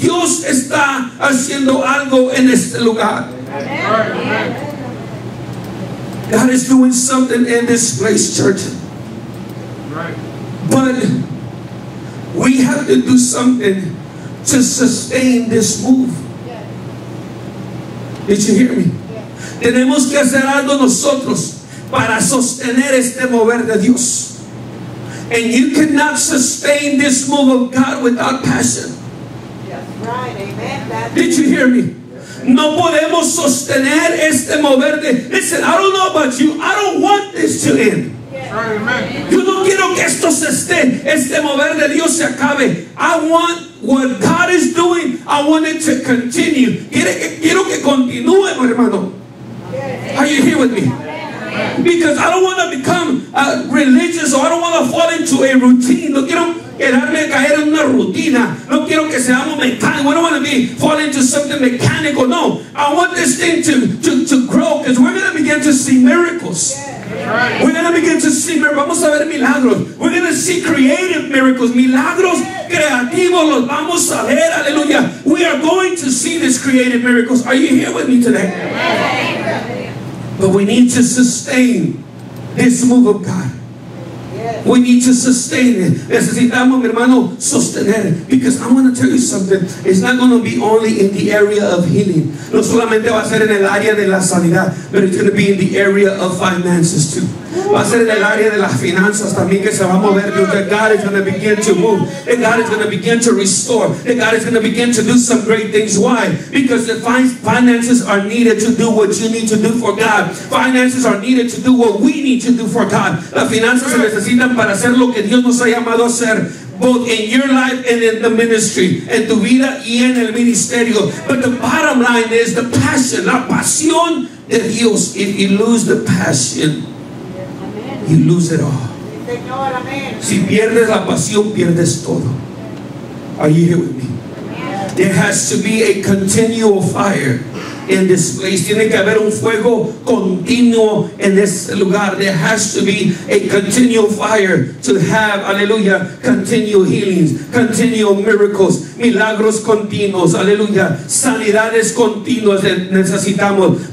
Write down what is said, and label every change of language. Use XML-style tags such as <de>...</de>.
<es>Dios está haciendo algo en este lugar.</es> <en>Amen. God is doing something in this place, church. But we have to do something to sustain this move. Did you hear me?</en> <es>Tenemos que hacer algo nosotros para sostener este mover de Dios.</es> <en>And you cannot sustain this move of God without passion. Yes, right. Amen. Did you hear me?</en> <es>No podemos sostener este mover de...</es> <en>Listen, I don't know about you. I don't want this to end. Amen.</en> <es>Yo no quiero que esto se esté, este mover de Dios se acabe.</es> <en>I want what God is doing. I want it to continue.</en> <es>Quiero que continúe, hermano.</es> <en>Are you here with me? Because I don't want to become religious, or I don't want to fall into a routine.</en> <es>No quiero quedarme a caer en una rutina. No quiero que seamos mecánicos.</es> <en>We don't want to be falling into something mechanical. No, I want this thing to grow, because we're going to begin to see miracles. Right. We're going to begin to see miracles.</en> <es>Vamos a ver milagros.</es> <en>We're going to see creative miracles.</en> <es>Milagros creativos los vamos a ver. Aleluya.</es> <en>We are going to see these creative miracles. Are you here with me today? Amen. But we need to sustain this move of God. Yes. We need to sustain it.</en> <es>Necesitamos, mi hermano, sostener.</es> <en>Because I want to tell you something. It's not going to be only in the area of healing.</en> <es>No solamente va a ser en el área de la sanidad,</es> <en>but it's going to be in the area of finances too.</en> <es>Va a ser en el área de las finanzas también que se va a mover.</es> <en>That God is going to begin to move. That God is going to begin to restore. That God is going to begin to do some great things. Why? Because the finances are needed to do what you need to do for God. Finances are needed to do what we need to do for God.</en> <es>Las finanzas se necesitan para hacer lo que Dios nos ha llamado a hacer.</es> <en>Both in your life and in the ministry.</en> <es>En tu vida y en el ministerio.</es> <en>But the bottom line is the passion.</en> <es>La pasión de Dios.</es> <en>If you lose the passion, you lose it all.</en> <es>Si pierdes la pasión, pierdes todo.</es> <en>Are you here with me? There has to be a continual fire in this place.</en> <es>Tiene que haber un fuego continuo en este lugar.</es> <en>There has to be a continual fire to have, aleluya, continual healings, continual miracles,</en> <es>milagros continuos,</es> <en>aleluya,</en> <es>sanidades continuas necesitamos.</es>